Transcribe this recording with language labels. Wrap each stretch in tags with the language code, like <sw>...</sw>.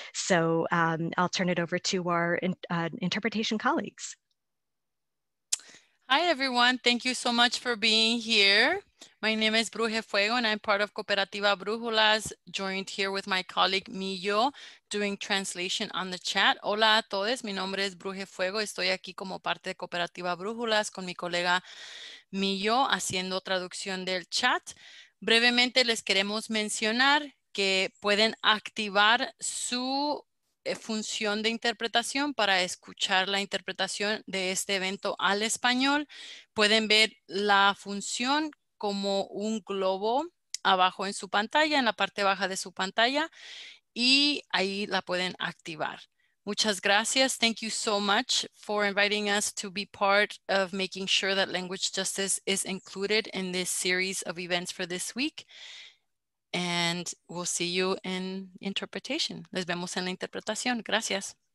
<en>So I'll turn it over to our interpretation colleagues. Hi, everyone. Thank you so much for being here. My name is Bruje Fuego, and I'm part of Cooperativa Brujulas, joined here with my colleague Millo, doing translation on the chat.</en> <es>Hola a todos. Mi nombre es Bruje Fuego. Estoy aquí como parte de Cooperativa Brujulas con mi colega Millo, haciendo traducción del chat. Brevemente, les queremos mencionar que pueden activar su función de interpretación para escuchar la interpretación de este evento al español. Pueden ver la función como un globo abajo en su pantalla, en la parte baja de su pantalla, y ahí la pueden activar. Muchas gracias.</es> <en>Thank you so much for inviting us to be part of making sure that language justice is included in this series of events for this week. And we'll see you in interpretation.</en> <es>Les vemos en la interpretación. Gracias.</es>